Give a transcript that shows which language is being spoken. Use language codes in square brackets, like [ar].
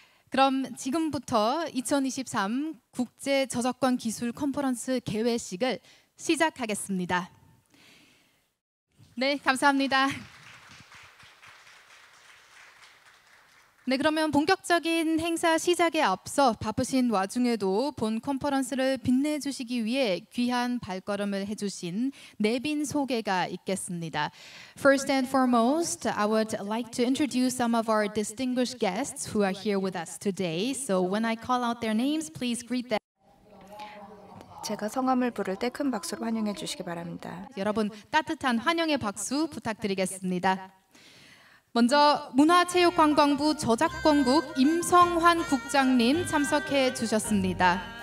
[ko] 그럼 지금부터 2023 국제저작권기술컨퍼런스 개회식을 시작하겠습니다. 네, 감사합니다. 네, 그러면 본격적인 행사 시작에 앞서 바쁘신 와중에도 본 컨퍼런스를 빛내주시기 위해 귀한 발걸음을 해주신 내빈 소개가 있겠습니다. [en] First and foremost, I would like to introduce some of our distinguished guests who are here with us today. So when I call out their names, please greet them. [ko] 제가 성함을 부를 때 큰 박수로 환영해 주시기 바랍니다. 여러분, 따뜻한 환영의 박수 부탁드리겠습니다. 먼저 문화체육관광부 저작권국 임성환 국장님 참석해 주셨습니다.